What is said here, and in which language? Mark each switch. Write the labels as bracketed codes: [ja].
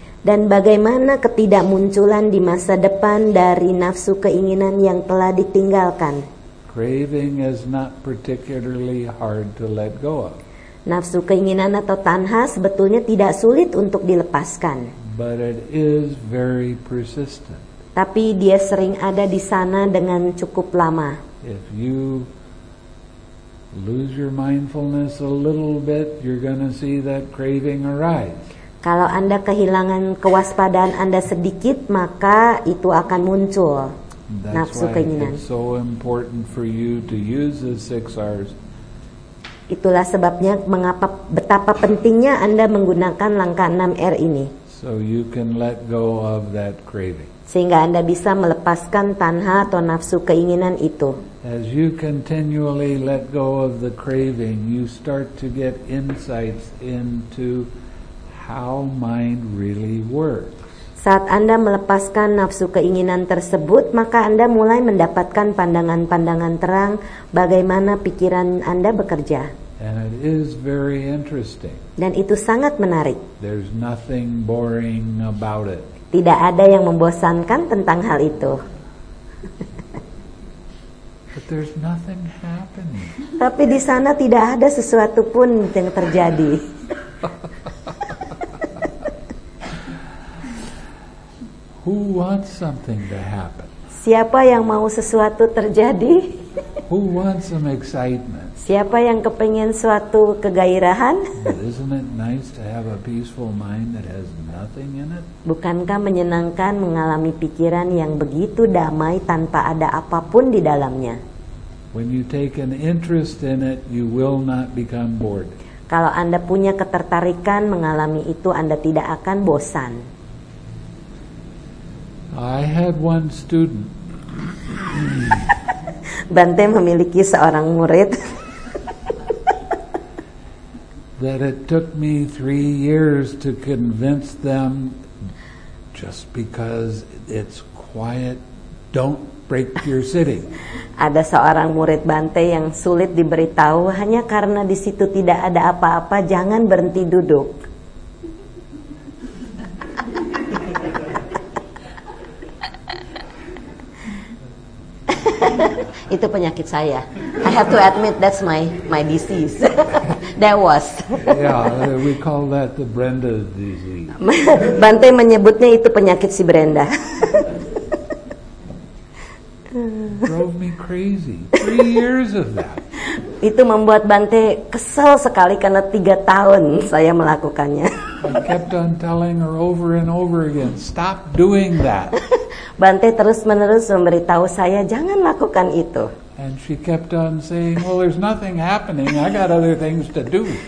[id] Dan bagaimana ketidakmunculan di masa depan dari nafsu keinginan yang telah ditinggalkan. [en] Craving is not particularly hard to let go of. [id] Nafsu keinginan atau tanha sebetulnya tidak sulit untuk dilepaskan. [en] But it is very persistent. [id] Tapi dia sering ada di sana dengan cukup lama. [en] If you lose your mindfulness a little bit, you're going to see that craving arise. [id] Kalau Anda kehilangan kewaspadaan Anda sedikit, maka itu akan muncul nafsu keinginan. [en] That's why it's so important for you to use the 6 R's. [id] Itulah sebabnya mengapa betapa pentingnya Anda menggunakan langkah 6 R ini. [en] So you can let go of that craving. [id] Sehingga Anda bisa melepaskan tanha atau nafsu keinginan itu. [en] As you continually let go of the craving, you start to get insights into how mind really works. [id] Saat Anda melepaskan nafsu keinginan tersebut, maka Anda mulai mendapatkan pandangan-pandangan terang bagaimana pikiran Anda bekerja. [en] And it is very interesting. [id] Dan itu sangat menarik. [en] There's nothing boring about it. [id] Tidak ada yang membosankan tentang hal itu. [en] But there's nothing happening. [id] Tapi di sana tidak ada sesuatu pun yang terjadi. [en] Who wants something to happen? [id] Siapa yang mau sesuatu terjadi? [en] Who wants some excitement? [id] Siapa yang kepengen suatu kegairahan? [en] Isn't it nice to have a peaceful mind that has nothing in it? [id] Bukankah menyenangkan mengalami pikiran yang begitu damai tanpa ada apapun di dalamnya? [en] When you take an interest in it, you will not become bored. [id] Kalau Anda punya ketertarikan mengalami itu, Anda tidak akan bosan. [en] I had one student. [id] Bante memiliki seorang murid. [en] That it took me 3 years to convince them, just because it's quiet, don't break your sitting. [id] Ada seorang murid Bante yang sulit diberitahu hanya karena di situ tidak ada apa-apa, jangan berhenti duduk. Itu penyakit saya. [en] I have to admit that's my disease. That was. Yeah, we call that the Brenda disease. [id] Bante menyebutnya itu penyakit si Brenda. [en] Drove me crazy. 3 years of that. [id] Itu membuat Bante kesel sekali karena 3 tahun saya melakukannya. [en] I kept on telling her over and over again, stop doing that. [id] Bante terus-menerus memberitahu saya, jangan lakukan itu. [en] And she kept on saying, well, there's nothing happening, I got other things to do.